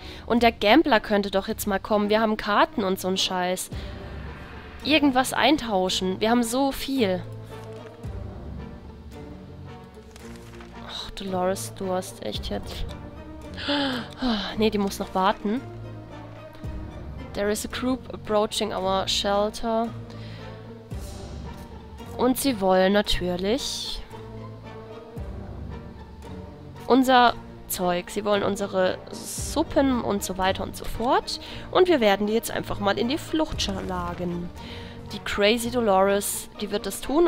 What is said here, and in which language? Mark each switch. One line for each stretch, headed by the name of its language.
German: Und der Gambler könnte doch jetzt mal kommen. Wir haben Karten und so einen Scheiß. Irgendwas eintauschen. Wir haben so viel. Ach, Dolores, du hast echt jetzt... Nee, die muss noch warten.
English: There is a group approaching our shelter.
German: Und sie wollen natürlich... unser Zeug. Sie wollen unsere Suppen und so weiter und so fort. Und wir werden die jetzt einfach mal in die Flucht schlagen. Die Crazy Dolores, die wird das tun.